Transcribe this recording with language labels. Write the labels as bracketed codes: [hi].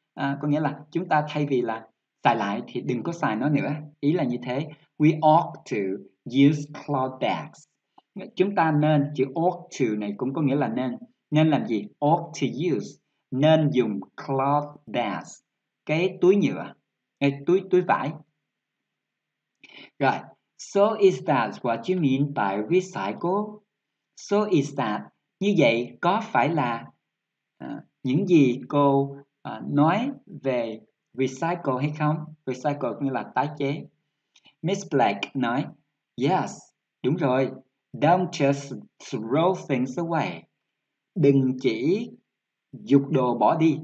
[vi] À, có nghĩa là chúng ta thay vì là xài lại thì đừng có xài nó nữa. Ý là như thế. [en] We ought to use cloth bags. [vi] Chúng ta nên, chữ ought to này cũng có nghĩa là nên. Nên làm gì? Ought to use, nên dùng cloth bags, cái túi nhựa, cái túi vải. [en] Rồi, so is that what you mean by recycle? So is that, [vi] như vậy có phải là những gì cô nói về recycle hay không? Recycle cũng là tái chế. Miss Black nói, [en] yes, [vi] đúng rồi. [en] Don't just throw things away. [vi] Đừng chỉ giục đồ bỏ đi.